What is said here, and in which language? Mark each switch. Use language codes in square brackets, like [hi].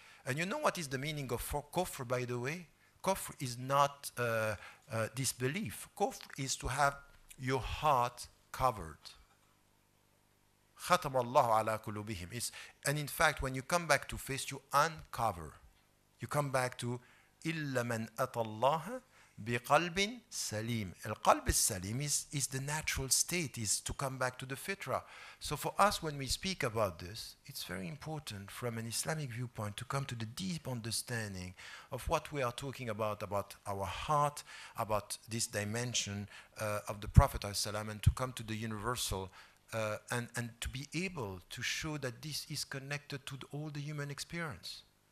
[en] And you know what is the meaning of kufr, by the way? Kufr is not disbelief. Kufr is to have your heart covered. [ar] خَتَمَ اللَّهُ عَلَىٰ قُلُوبِهِمْ. [en] And in fact, when you come back to face, you uncover. You come back to [ar] إِلَّا مَنْ أَتَى اللَّهَ بِقَلْبٍ سَلِيمٍ. الْقَلْبِ السَّلِيمِ [en] is the natural state, is to come back to the fitrah. So for us, when we speak about this, it's very important from an Islamic viewpoint to come to the deep understanding of what we are talking about our heart, about this dimension of the Prophet ﷺ, and to come to the universal and to be able to show that this is connected to all the human experience.